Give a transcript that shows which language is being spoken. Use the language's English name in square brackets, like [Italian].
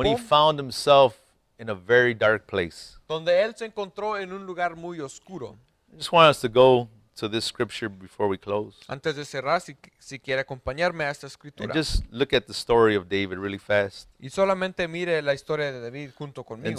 [English] When he found himself in a very dark place. [Spanish] Donde él se encontró en un lugar muy oscuro. [English] I just want us to go to this scripture before we close. [Spanish] Antes de cerrar, si quiere acompañarme a esta escritura. [English] And just look at the story of David really fast. [Spanish] Y solamente mire la historia de David junto conmigo.